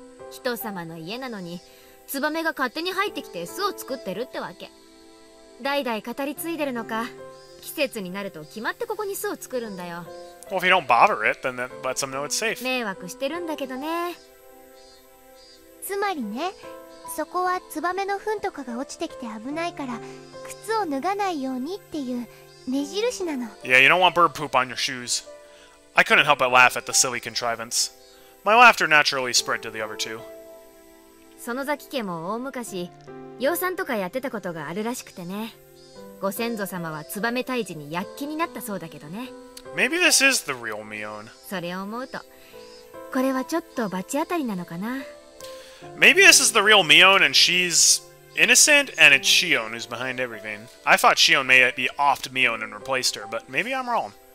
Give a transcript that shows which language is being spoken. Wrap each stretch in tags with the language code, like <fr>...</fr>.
<ja>人様の家なのに、ツバメが勝手に入ってきて巣を作ってるってわけ。代々語り継いでるのか、季節になると決まってここに巣を作るんだよ。</ja> <en>Well, if you don't bother it, then that lets them know it's safe.</en> <ja>迷惑してるんだけどね。つまりね、そこはツバメの糞とかが落ちてきて危ないから、靴を脱がないようにっていう目印なの。</ja> <en>Yeah, you don't want bird poop on your shoes. I couldn't help but laugh at the silly contrivance. My laughter naturally spread to the other two.</en> <ja>Sonozaki 家も大昔、養蚕とかやってたことがあるらしくてね。ご先祖様はツバメ退治に躍起になったそうだけどね。</ja> <en>Maybe this is the real Mion.</en> <ja>それを思うと、これはちょっと罰当たりなのかな。</ja> <en>Maybe this is the real Mion and she's innocent and it's Shion who's behind everything. I thought Shion may be offed Mion and replaced her, but maybe I'm wrong.</en>